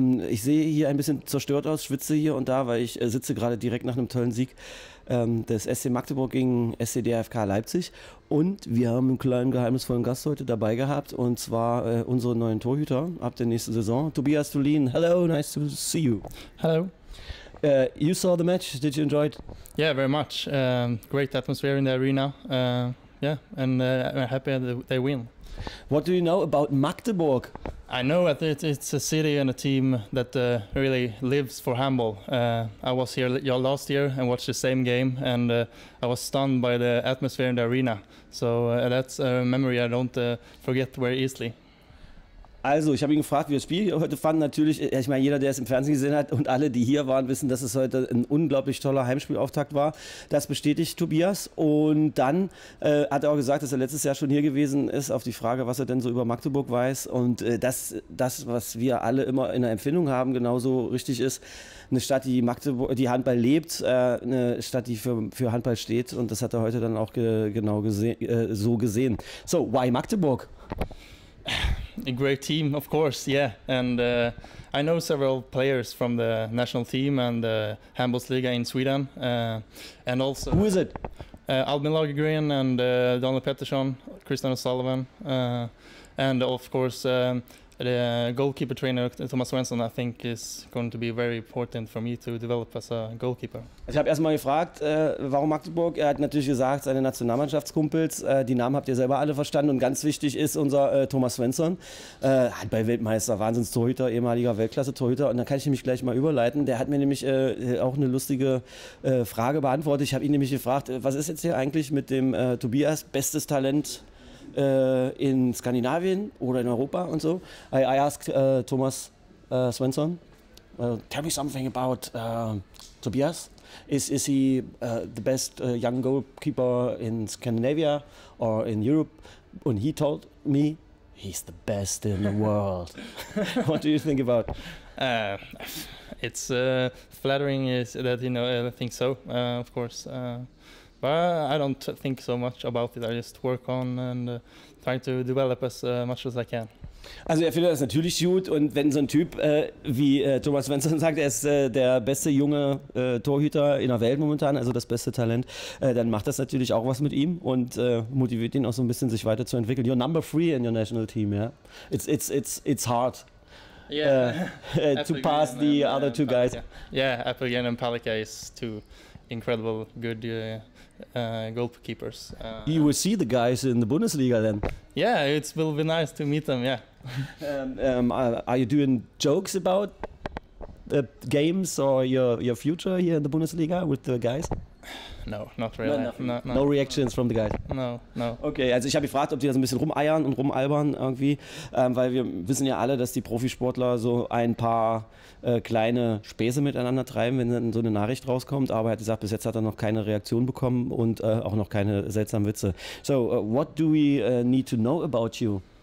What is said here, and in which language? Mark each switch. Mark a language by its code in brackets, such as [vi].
[de] Ich sehe hier ein bisschen zerstört aus, schwitze hier und da, weil ich sitze gerade direkt nach einem tollen Sieg des SC Magdeburg gegen SC DFK Leipzig. Und wir haben einen kleinen geheimnisvollen Gast heute dabei gehabt, und zwar unseren neuen Torhüter ab der nächsten Saison. [en] Tobias Thulin, hello, nice to see you. Hello. You saw the match, did you enjoy it? Yeah, very much. Great atmosphere in the arena. I'm happy they win. What do you know about Magdeburg? I know that it's a city and a team that really lives for handball. I was here last year and watched the same game, and I was stunned by the atmosphere in the arena. So that's a memory I don't forget very easily. [de] Also, ich habe ihn gefragt, wie das Spiel heute fand. Natürlich, ich meine, jeder, der es im Fernsehen gesehen hat, und alle, die hier waren, wissen, dass es heute ein unglaublich toller Heimspielauftakt war. Das bestätigt Tobias. Und dann hat er auch gesagt, dass er letztes Jahr schon hier gewesen ist, auf die Frage, was er denn so über Magdeburg weiß. Und das, was wir alle immer in der Empfindung haben, genauso richtig ist. Eine Stadt, die Magdeburg, die Handball lebt, eine Stadt, die für Handball steht. Und das hat er heute dann auch genau so gesehen. [en] So, why Magdeburg? A great team, of course, yeah. And I know several players from the national team and the Handbollsliga in Sweden. And also, who is it? Albin Lagergren and Daniel Pettersson, Christian O'Sullivan, and of course the goalkeeper trainer Thomas Svensson, I think, is going to be very important for me to develop as a goalkeeper. [de] Ich habe erstmal gefragt, warum Magdeburg? Er hat natürlich gesagt, seine Nationalmannschaftskumpels. Die Namen habt ihr selber alle verstanden. Und ganz wichtig ist unser Thomas Svensson. Hat bei Weltmeister, Wahnsinns-Torhüter, ehemaliger Weltklasse-Torhüter. Und da kann ich nämlich gleich mal überleiten. Der hat mir nämlich auch eine lustige Frage beantwortet. Ich habe ihn nämlich gefragt, was ist jetzt hier eigentlich mit dem Tobias, bestes Talent in Skandinavien oder in Europa und so. [en] I asked Thomas Svensson, tell me something about Tobias. Is he the best young goalkeeper in Scandinavia or in Europe? And he told me he's the best in the world. What do you think about? It's flattering that he thinks so, of course. But I don't think so much about it. I just work on and try to develop as much as I can. [de] Also er findet das natürlich gut, und wenn so ein Typ wie Thomas Svensson sagt, er ist der beste junge Torhüter in der Welt momentan, also das beste Talent, dann macht das natürlich auch was mit ihm und motiviert ihn auch so ein bisschen, sich weiterzuentwickeln. [en] You're number three in your national team, yeah? It's hard. Yeah. to pass the other two guys. Yeah, Appelgren and Palicka is two incredible good goalkeepers. You will see the guys in the Bundesliga then. Yeah, it will be nice to meet them, yeah. are you doing jokes about the games or your future here in the Bundesliga with the guys? No, not really. No reactions from the guys? No. [de] Okay, also ich habe gefragt, ob die da so ein bisschen rumeiern und rumalbern irgendwie, weil wir wissen ja alle, dass die Profisportler so ein paar kleine Späße miteinander treiben, wenn dann so eine Nachricht rauskommt. Aber er hat gesagt, bis jetzt hat er noch keine Reaktion bekommen und auch noch keine seltsamen Witze. [en] So, what do we need to know about you?